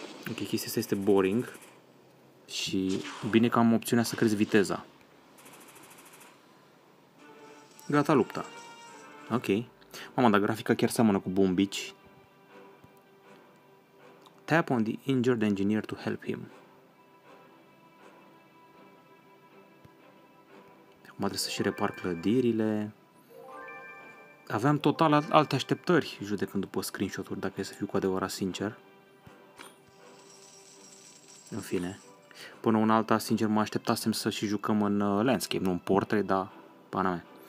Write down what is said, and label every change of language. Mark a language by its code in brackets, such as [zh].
[ro] Ok, chestia asta este boring și bine că am opțiunea să crezi viteza. Gata lupta. Ok. Mama, dar grafica chiar seamănă cu Boom Beach. [en] Tap on the injured engineer to help him. [ro] Acum trebuie să-și repar clădirile. Aveam total alte așteptări, judecând după screenshot-uri, dacă e să fiu cu adevărat sincer. În fine. Până una alta, sincer, mă așteptasem să și jucăm în landscape, nu în portrait, dar pana mea.